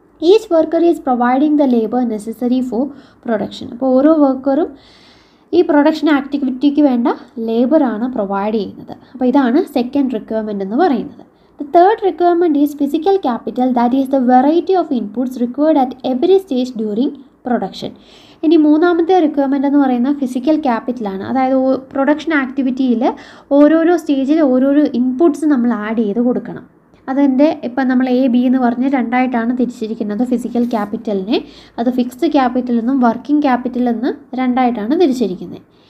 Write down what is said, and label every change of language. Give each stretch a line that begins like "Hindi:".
English: Each worker is providing the labour necessary for production.
Malayalam: അപ്പോൾ ഓരോ വർക്കറും ഈ പ്രൊഡക്ഷൻ ആക്ടിവിറ്റിക്ക് വേണ്ട ലേബറാണ് പ്രൊവൈഡ് ചെയ്യുന്നത്. അപ്പോൾ ഇതാണ് സെക്കൻഡ് റിക്വയർമെൻ്റ് എന്ന് പറയുന്നത്.
English: The third requirement is physical capital, that is the variety of inputs required at every stage during production.
Malayalam: ഇനി മൂന്നാമത്തെ റിക്വയർമെൻ്റ് എന്ന് പറയുന്ന ഫിസിക്കൽ ക്യാപിറ്റലാണ്. അതായത് പ്രൊഡക്ഷൻ ആക്ടിവിറ്റിയിൽ ഓരോരോ സ്റ്റേജിൽ ഓരോരോ ഇൻപുട്സ് നമ്മൾ ആഡ് ചെയ്ത് കൊടുക്കണം. അതിൻ്റെ ഇപ്പം നമ്മൾ എ ബി എന്ന് പറഞ്ഞ് രണ്ടായിട്ടാണ് തിരിച്ചിരിക്കുന്നത് ഫിസിക്കൽ ക്യാപിറ്റലിനെ. അത് ഫിക്സ്ഡ് ക്യാപിറ്റൽ എന്നും വർക്കിംഗ് ക്യാപിറ്റൽ എന്ന് രണ്ടായിട്ടാണ് തിരിച്ചിരിക്കുന്നത്.